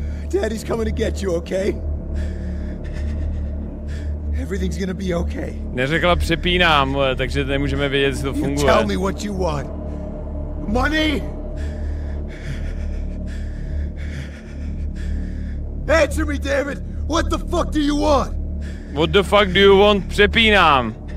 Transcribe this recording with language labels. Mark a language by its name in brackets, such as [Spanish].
[English] Daddy's coming to get you, okay? Everything's gonna be okay. [Czech] Neřekla přepínám, takže nemůžeme vědět, jestli to funguje. [English] You tell me what you want. Money? Answer me, David. What the fuck do you want? What the fuck do you want? [Czech] Přepínám.